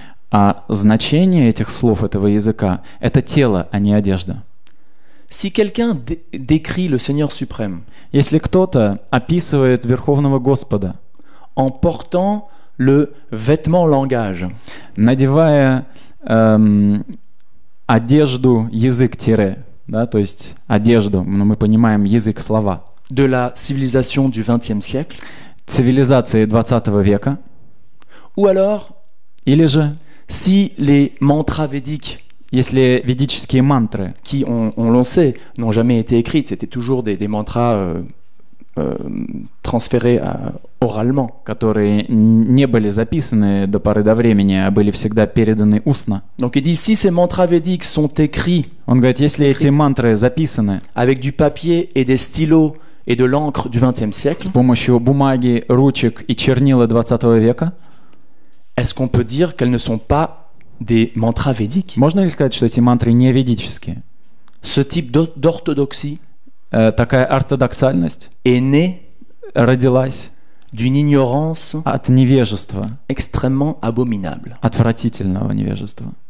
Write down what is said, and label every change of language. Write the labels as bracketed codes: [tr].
[ru] А значение этих слов этого языка это тело, а не одежда. [fr] Si quelqu'un décrit le Seigneur suprême, [ru] если кто-то описывает Верховного Господа, [fr] en portant le vêtement langage, [ru] надевая одежду язык тире, да, то есть одежду, но мы понимаем язык слова, [fr] de la civilisation du XXe siècle, [ru] цивилизации 20 века, [fr] ou alors, [ru] или же, [fr] si les mantras védiques. [ru] Если ведические мантры, [fr] qui on l'on sait, n'ont jamais été écrites, c'était toujours des mantras transférés oralement, [ru] которые не были записаны до поры до времени, а были всегда переданы устно. [fr] Donc il dit si ces mantras védiques sont écrits, [ru] он говорит, если эти мантры записаны, [fr] avec du papier et des stylos et de l'encre du XXe siècle, [ru] с помощью бумаги, ручек и чернила 20 века, [fr] est-ce qu'on peut dire qu'elles ne sont pas des mantras védiques? [ru] Можно ли сказать, что эти мантры не ведические? [fr] Ce type d'orthodoxie, [ru] такая ортодоксальность, [fr] est née, [ru] родилась, [fr] d'une ignorance, [ru] от невежества, [fr] extrêmement abominable, [ru] отвратительного невежества.